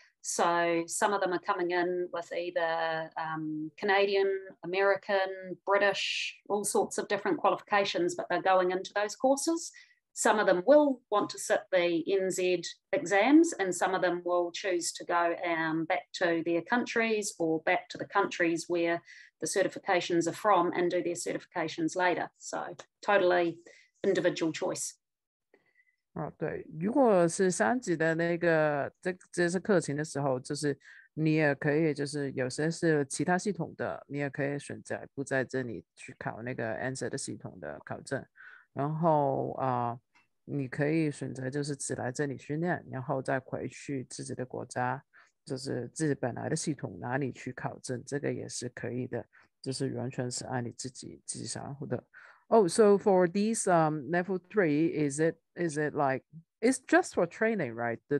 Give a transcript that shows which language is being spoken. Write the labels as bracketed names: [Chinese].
[English] So some of them are coming in with either Canadian, American, British, all sorts of different qualifications, but they're going into those courses. Some of them will want to sit the NZ exams, and some of them will choose to go back to their countries or back to the countries where the certifications are from and do their certifications later. So totally individual choice. [Chinese] 对，如果是三级的那个这些课程的时候，就是你也可以，就是有些是其他系统的，你也可以选择不在这里去考那个 NZ 的系统的考证。然后你可以选择就是只来这里训练，然后再回去自己的国家，就是自己本来的系统哪里去考证，这个也是可以的，就是完全是按你自己想要的。 [English] Oh, so for these level 3, is it like it's just for training, right?